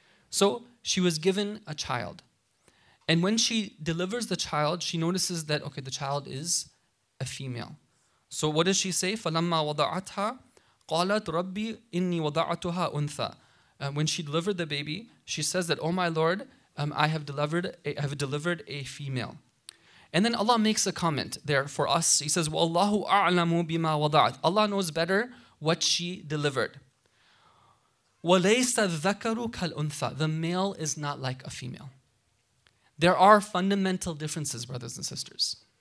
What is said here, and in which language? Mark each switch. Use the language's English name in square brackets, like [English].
[English] So she was given a child. And when she delivers the child, she notices that, okay, the child is a female. So what does she say? [Arabic] فَلَمَّا وَضَعَتْهَا قَالَتْ رَبِّي إِنِّي وَضَعَتُهَا أُنْثَى. [English] When she delivered the baby, she says that, oh my Lord, I have delivered a female. And then Allah makes a comment there for us. He says, [Arabic] وَاللَّهُ أَعْلَمُ بِمَا وَضَعَتْ. [English] Allah knows better what she delivered. [Arabic] وَلَيْسَ الذَّكَرُ كَالْأُنْثَى. [English] The male is not like a female. There are fundamental differences, brothers and sisters.